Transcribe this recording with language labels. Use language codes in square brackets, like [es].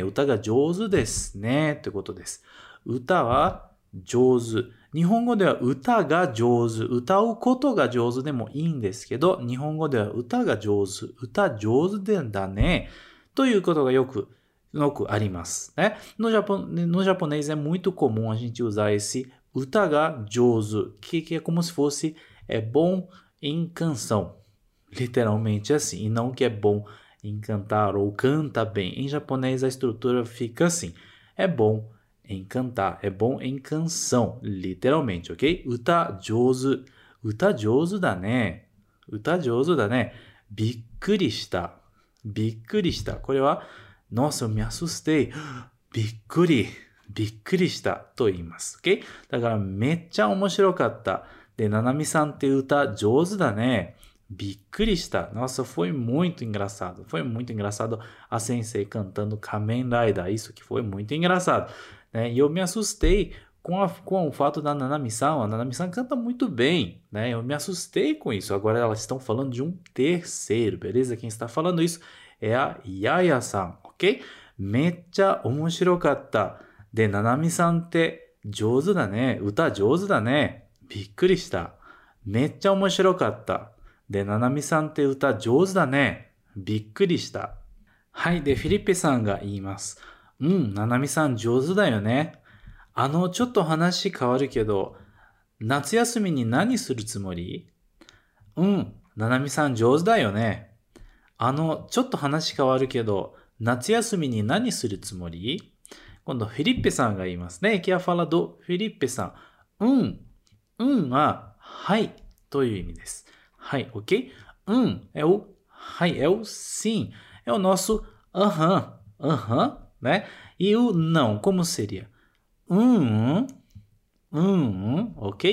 [ja] 歌が上手ですね。ってことです。歌は上手。日本語では歌が上手。歌うことが上手でもいいんですけど、日本語では歌が上手。歌上手だね。ということがよくありますね。 [pt] No Japonês é muito comum a gente usar esse [ja] 歌が上手。 [pt] Que é como se fosse é bom em canção. Literalmente assim. E não que é bom em cantar ou canta bem. Em japonês a estrutura fica assim. É bom em cantar. É bom em canção. Literalmente, ok? [ja] 歌上手。歌上手だね。歌上手だね。びっくりした。びっくりした。これは、 [pt] Nossa, eu me assustei. [ja] びっくり。びっくりしたと言います。 OK? だから、めっちゃ面白かった。で、ななみさんって歌上手だね。びっくりした。 [pt] Nossa, foi muito engraçado. Foi muito engraçado. A sensei cantando 仮面ライダー。 Isso que foi muito engraçado.、ね、eu me assustei com o fato da ななみさん。 A ななみさん canta muito bem.、ね、eu me assustei com isso. Agora elas estão falando de um terceiro, beleza? Quem está falando isso é a Yaya さん。 [ja] OK? めっちゃ面白かった。で、ななみさんって上手だね。歌上手だね。びっくりした。めっちゃ面白かった。で、ななみさんって歌上手だね。びっくりした。はい。で、フィリッペさんが言います。うん、ななみさん上手だよね。ちょっと話変わるけど、夏休みに何するつもり？うん、ななみさん上手だよね。ちょっと話変わるけど、夏休みに何するつもり？今度、フィリッペさんが言いますね。 [pt] Que é a fala do フィリッペさん。 [ja] うん。うんは、はい。という意味です。はい。OK? うん。 [pt] é o はい。é o sim。é o nosso aham. aham. ね。e o não. como seria? うん。うん。OK?